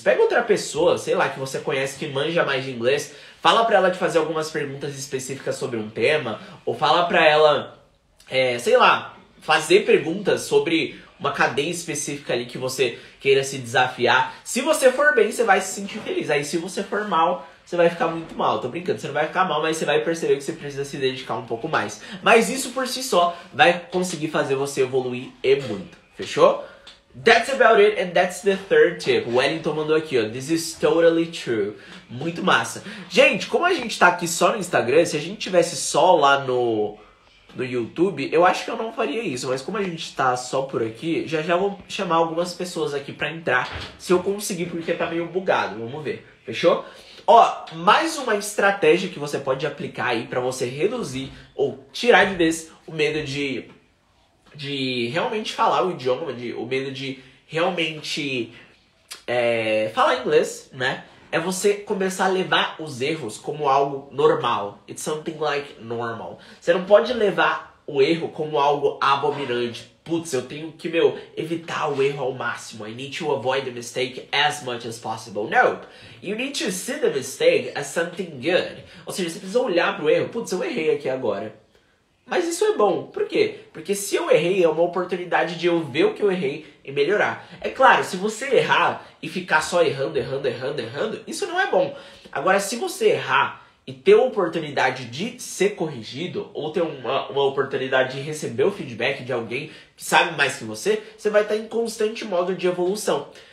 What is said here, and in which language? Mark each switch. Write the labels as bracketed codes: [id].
[pt] Pega outra pessoa, sei lá, que você conhece, que manja mais de inglês, fala pra ela de fazer algumas perguntas específicas sobre um tema, ou fala pra ela, sei lá, fazer perguntas sobre uma cadeia específica ali que você queira se desafiar. Se você for bem, você vai se sentir feliz. Aí se você for mal, você vai ficar muito mal. Tô brincando, você não vai ficar mal, mas você vai perceber que você precisa se dedicar um pouco mais. Mas isso por si só vai conseguir fazer você evoluir e muito. Fechou? [en] That's about it, and that's the third tip. [pt] O Wellington mandou aqui, ó. [en] This is totally true. [pt] Muito massa. Gente, como a gente tá aqui só no Instagram, se a gente tivesse só lá no YouTube, eu acho que eu não faria isso. Mas como a gente tá só por aqui, já vou chamar algumas pessoas aqui pra entrar, se eu conseguir, porque tá meio bugado. Vamos ver. Fechou? Ó, mais uma estratégia que você pode aplicar aí pra você reduzir ou tirar de vez o medo de realmente falar o idioma, o medo de realmente falar inglês, né? É você começar a levar os erros como algo normal. [en] It's something like normal. [pt] Você não pode levar o erro como algo abominante. Putz, eu tenho que, meu, evitar o erro ao máximo. [en] I need to avoid the mistake as much as possible. No, you need to see the mistake as something good. [pt] Ou seja, você precisa olhar pro erro. Putz, eu errei aqui agora. Mas isso é bom. Por quê? Porque se eu errei, é uma oportunidade de eu ver o que eu errei e melhorar. É claro, se você errar e ficar só errando, isso não é bom. Agora, se você errar e ter uma oportunidade de ser corrigido, ou ter uma oportunidade de receber o feedback de alguém que sabe mais que você, você vai estar em constante modo de evolução.